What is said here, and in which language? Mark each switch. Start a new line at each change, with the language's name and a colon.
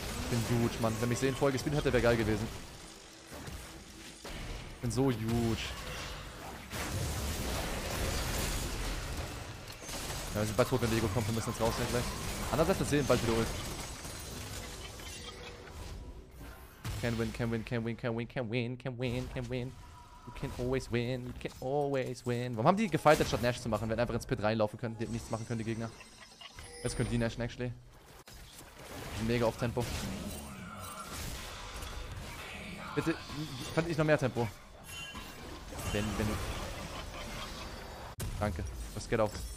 German: Ich bin huge, Mann. Wenn mich Seelen voll gespielt hätte, wäre geil gewesen. Ich bin so huge. Ja, wir sind bald tot, wenn Lego kommt. Wir müssen jetzt rausnehmen gleich. Andererseits, das Seelen bald wieder holt.
English: Can win, can win, can win, can win, can win, can win, can win. You can always win, you can always win.
German: Warum haben die gefightet, statt Nash zu machen? Wenn einfach ins Pit reinlaufen können, die nichts machen können, die Gegner. Jetzt können die Nashen, actually. Mega auf Tempo. Bitte, fand ich noch mehr Tempo. Wenn du. Danke. Das geht auf.